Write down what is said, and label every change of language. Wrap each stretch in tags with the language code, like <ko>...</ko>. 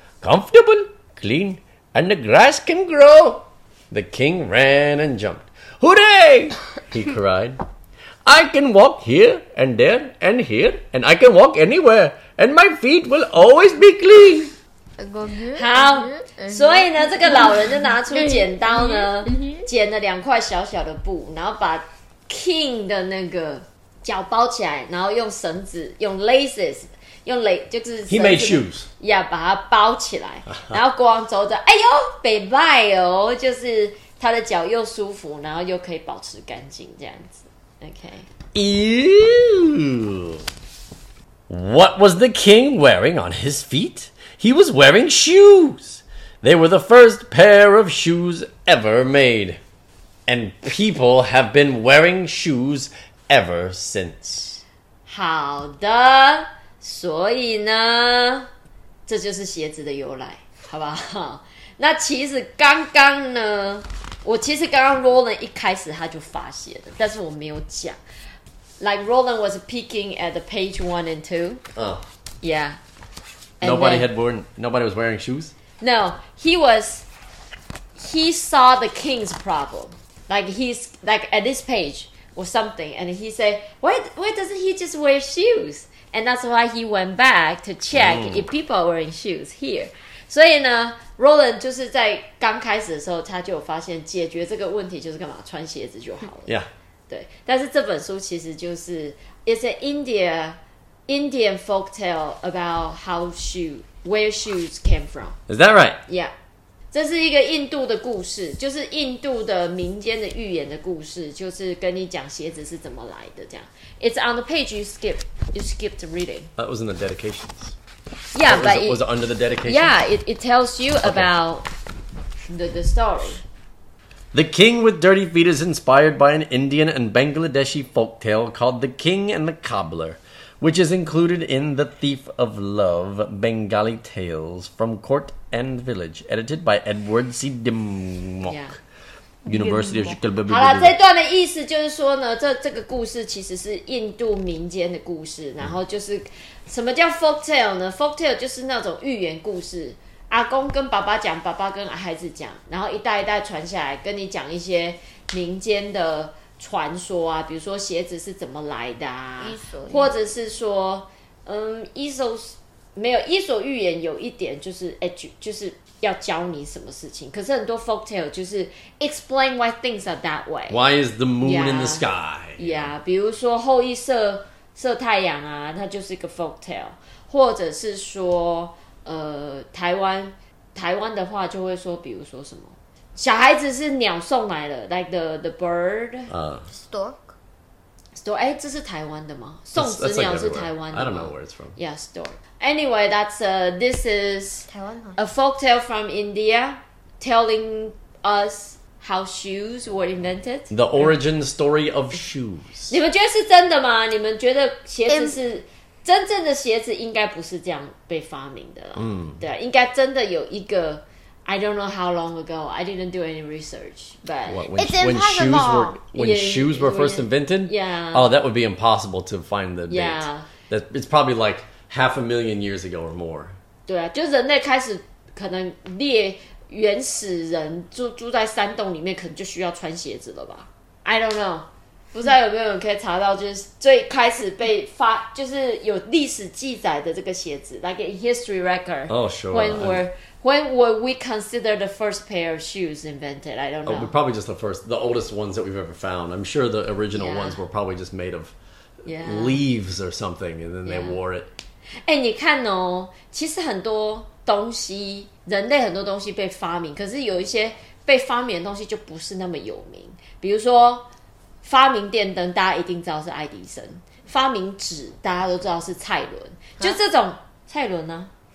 <en>Comfortable, clean, and the grass can grow. The king ran and jumped. Hooray! he cried. I can walk here and there and here, and I can walk anywhere, and my feet will always be clean.</en> <zh>好，所以呢，这个老人就拿出剪刀呢，剪了两块小小的布，然后把 King 的那个脚包起来，然后用绳子，用 laces， 用蕾，就是</zh> <en>He made shoes.</en> <zh>Yeah， 把它包起来，然后国王走着，哎呦，北拜哦，就是他的脚又舒服，然后又可以保持干净，这样子。</zh> <en>Okay. Ew! What was the king wearing on his feet? He was wearing shoes. They were the first pair of shoes ever made. And people have been wearing shoes ever since.</en> <zh>好的，所以呢，这就是鞋子的由来，好不好？那其实刚刚呢，我其实刚刚 Roland 一开始他就发现了，但是我没有讲。</zh> <en>Like Roland was peeking at the page 1 and 2. Oh, yeah. Nobody had worn. Nobody was wearing shoes. No, he was. He saw the king's problem. Like he's like at this page or something, and he said, "Why doesn't he just wear shoes?" And that's why he went back to check if people are wearing shoes here.</en> <zh>所以呢。 Roland 就是在刚开始的时候，他就有发现解决这个问题就是干嘛穿鞋子就好了。</zh> <en>Yeah.</en> <zh>对，但是这本书其实就是</zh> <en>It's an Indian folk tale about how where shoes came from. Is that right? Yeah.</en> <zh>这是一个印度的故事，就是印度的民间的寓言的故事，就是跟你讲鞋子是怎么来的这样。</zh> <en>It's on the page you skipped reading. That was in the dedications. Yeah, was it under the dedication? Yeah, it tells you about the story. The King with Dirty Feet is inspired by an Indian and Bangladeshi folktale called The King and the Cobbler, which is included in The Thief of Love, Bengali Tales from Court and Village, edited by Edward C. Dimmock. Yeah. University of Chicago.</en> <zh>好了，这段的意思就是说呢，这个故事其实是印度民间的故事。然后就是什么叫 folk tale 呢 ？Folk tale 就是那种寓言故事，阿公跟爸爸讲，爸爸跟孩子讲，然后一代一代传下来，跟你讲一些民间的传说啊，比如说鞋子是怎么来的啊，或者是说，伊索没有伊索寓言有一点就是就是。要教你什么事情？可是很多</zh> <en>folk tale</en> <zh>就是</zh> <en>explain why things are that way. Why is the moon in the sky?</en> <zh>Yeah, 比如说后羿射太阳啊，它就是一个 folk tale. 或者是说，台湾的话就会说，比如说什么小孩子是鸟送来的 ，</zh> <en>like the bird. Stork.</en> <zh>哎，这是台湾的吗？送子鸟</zh> <en>that's</en> <zh>是台湾的吗</zh> <en>？I don't know where it's from. Yeah, stork. Anyway, that's this is a folktale from India telling us how shoes were invented. The origin story of shoes.</en> <zh>你们觉得是真的吗？你们觉得鞋子是真正的鞋子应该不是这样被发明的了。对，应该真的有一个</zh> <en>I don't know how long ago. I didn't do any research. But when shoes were first invented? Yeah. Oh, that would be impossible to find the date. Yeah. It's probably like... Half a million years ago or more.</en> <zh>对啊，就人类开始可能猎原始人住在山洞里面，可能就需要穿鞋子了吧 ？</zh> <en>I don't know.</en> <zh>不知道有没有人可以查到，就是最开始被发，就是有历史记载的这个鞋子 ，</zh> <en>like a history record. Oh, sure. When were we considered the first pair of shoes invented? I don't know. Oh, probably just the first, the oldest ones that we've ever found. I'm sure the original ones were probably just made of leaves or something, and then they wore it.</en> <zh>哎，你看哦，其实很多东西，人类很多东西被发明，可是有一些被发明的东西就不是那么有名，比如说。发明电灯，大家一定知道是爱迪生。发明纸，大家都知道是蔡伦。就这种蔡伦呢、啊？</zh>